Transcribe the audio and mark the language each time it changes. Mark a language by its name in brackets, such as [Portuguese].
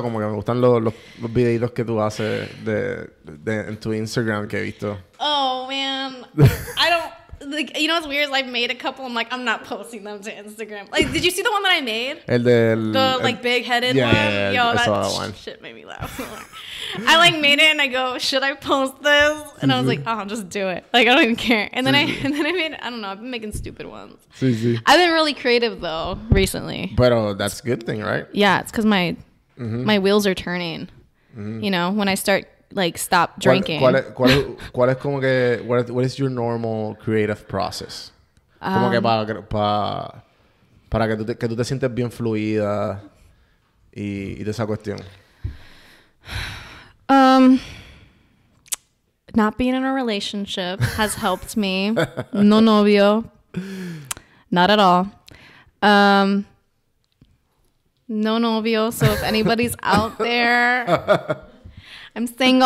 [Spanish] Como que me gustan los videitos que tú haces de en tu Instagram que he visto. [English] Oh, man. I don't... Like, you know what's weird? I've made a couple. I'm like, I'm not posting them to Instagram. Like, did you see the one that I made? [Spanish] El del... [English] The big-headed one? Yeah, that one. Shit made me laugh. I, like, made it and I go, should I post this? And I was like, oh, I'll just do it. Like, I don't even care. And then I made, I don't know, I've been making stupid ones. [Spanish] Sí, sí. [English] I've been really creative, though, recently. But that's a good thing, right? Yeah, it's because my wheels are turning. Mm-hmm. You know, when I start, like, stop drinking. What is your normal creative process? [Spanish] Como que para que tú te sientes bien fluida y de esa cuestión. [English] Not being in a relationship has helped me. [Spanish] No novio. [English] Not at all. [Spanish] No novio. [English] So if anybody's out there, I'm single.